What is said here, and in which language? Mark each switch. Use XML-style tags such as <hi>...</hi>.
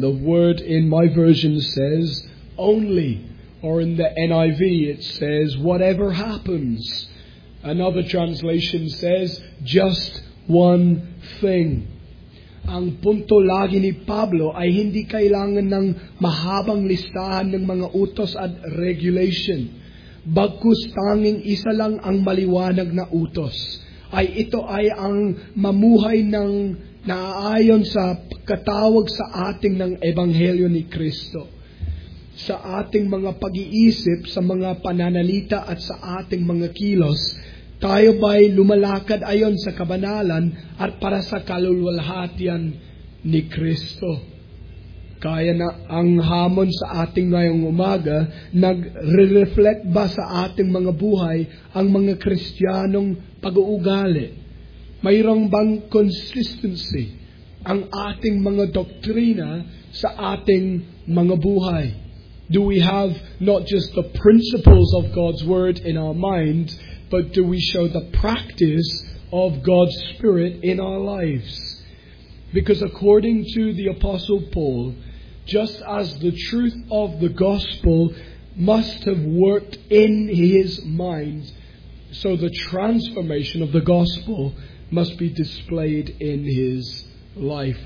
<en>The word in my version says, only. Or in the NIV it says, whatever happens. Another translation says, just one thing.</en> <tl>Ang punto lagi ni Pablo ay hindi kailangan ng mahabang listahan ng mga utos at regulation. Bagkus tanging isa lang ang maliwanag na utos, ay ito ay ang mamuhay ng naaayon sa katawag sa ating ng Ebanghelyo ni Kristo. Sa ating mga pag-iisip, sa mga pananalita at sa ating mga kilos, tayo ba'y lumalakad ayon sa kabanalan at para sa kaluluwalhatian ni Kristo? Kaya na ang hamon sa ating ngayong umaga, nag-reflect ba sa ating mga buhay ang mga Kristiyanong pag-uugali? Mayroong bang consistency ang ating mga doktrina sa ating mga buhay?</tl> <en>Do we have not just the principles of God's Word in our mind, but do we show the practice of God's Spirit in our lives? Because according to the Apostle Paul, just as the truth of the gospel must have worked in his mind, so the transformation of the gospel must be displayed in his life.</en>